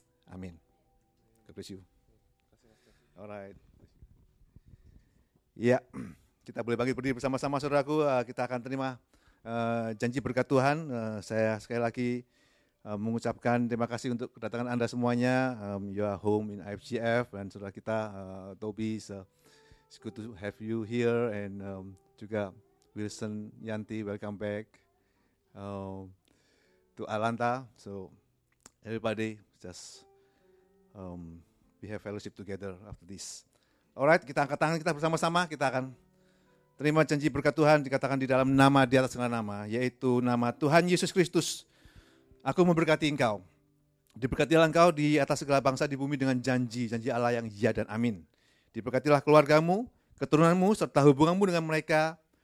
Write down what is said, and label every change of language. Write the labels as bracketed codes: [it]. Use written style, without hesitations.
[en] Amin. God bless you. Alright. [id] Ya, kita boleh bangkit berdiri bersama-sama saudaraku, kita akan terima janji berkat Tuhan. Saya sekali lagi mengucapkan terima kasih untuk kedatangan Anda semuanya. [en] You are home in IFGF, [id] dan saudara kita, [en] Toby, it's good to have you here, and juga Wilson Yanti, welcome back to Atlanta. So everybody, just we have fellowship together after this. [id] Alright, kita angkat tangan kita bersama-sama, kita akan terima janji berkat Tuhan dikatakan di dalam nama di atas segala nama, yaitu nama Tuhan Yesus Kristus. Aku memberkati engkau, diberkatilah engkau di atas segala bangsa di bumi dengan janji-janji Allah yang ya dan amin. Diberkatilah keluargamu, keturunanmu, serta hubunganmu dengan mereka.